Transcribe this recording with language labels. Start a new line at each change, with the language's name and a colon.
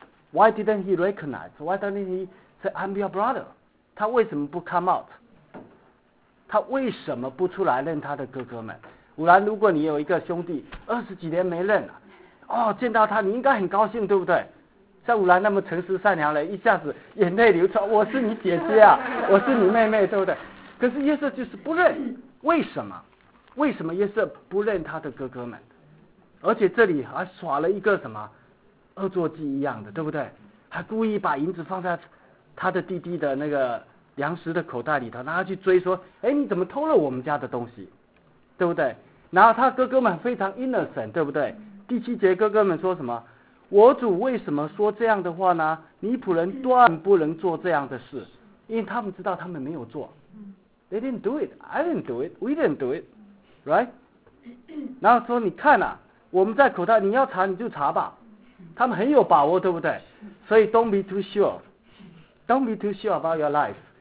English: Why didn't he recognize? Why didn't he say, "I'm your brother"?
Chinese: 他为什么不
English: come out?
Chinese: 他为什么不出来认他的哥哥们？吾然，如果你有一个兄弟二十几年没认了，哦，见到他你应该很高兴，对不对？像吾然那么诚实善良的，一下子眼泪流出，我是你姐姐啊，我是你妹妹，对不对？可是约瑟就是不认，为什么？为什么约瑟不认他的哥哥们？而且这里还耍了一个什么恶作剧一样的，对不对？还故意把银子放在他的弟弟的那个粮食的口袋里头，然后去追说，哎，你怎么偷了我们家的东西，对不对？然后他哥哥们非常 innocent， 对不对？第七节哥哥们说什么？我主为什么说这样的话呢？你仆人断不能做这样的事，因为他们知道他们没有做。
English: They didn't do it, I didn't do it, we didn't do it, right?
Chinese: 然后说你看啊，我们在口袋，你要查你就查吧。他们很有把握，对不对？
English: 所以 don't be too sure, don't be too sure about your life.